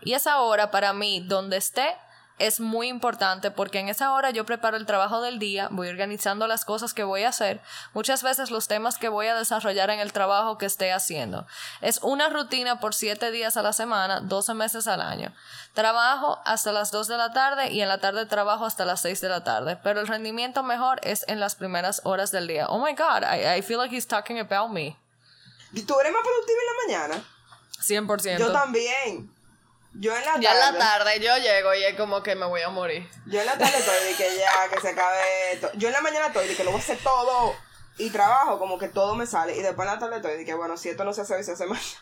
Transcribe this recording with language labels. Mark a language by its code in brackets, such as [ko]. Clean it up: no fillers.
[es] Y esa hora, para mí, donde esté, es muy importante porque en esa hora yo preparo el trabajo del día, voy organizando las cosas que voy a hacer, muchas veces los temas que voy a desarrollar en el trabajo que esté haciendo. Es una rutina por 7 días a la semana, 12 meses al año. Trabajo hasta las 2 de la tarde y en la tarde trabajo hasta las 6 de la tarde. Pero el rendimiento mejor es en las primeras horas del día. [en] Oh my God, I feel like he's talking about me. [es] ¿Y tú eres más productiva en la mañana? 100%. Yo también. Yo en la tarde. Ya en la tarde yo llego y es como que me voy a morir. Yo en la tarde estoy de que ya, que se acabe esto. Yo en la mañana estoy de que lo voy a hacer todo y trabajo, como que todo me sale. Y después en la tarde estoy de que, bueno, si esto no se hace, se hace mal.